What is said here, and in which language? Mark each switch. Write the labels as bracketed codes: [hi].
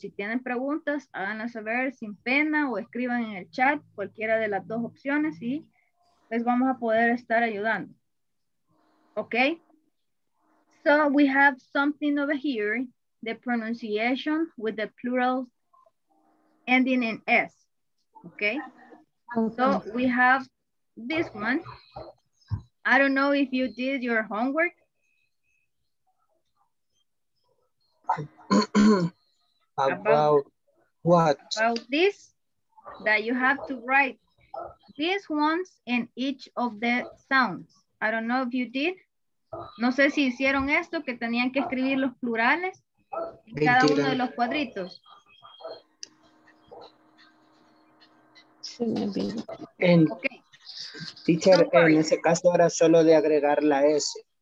[es] Si tienen preguntas, háganlas saber sin pena o escriban en el chat, cualquiera de las dos opciones y les vamos a poder estar ayudando. [en] Okay? So we have something over here, the pronunciation with the plural ending in S. Okay? So we have this one. I don't know if you did your homework. about this, that you have to write these ones in each of the sounds. I don't know if you did. [es] No sé si hicieron esto, que tenían que escribir los plurales en cada uno de los cuadritos. [en] Okay. [es] Teacher, en ese caso era solo de agregar la S.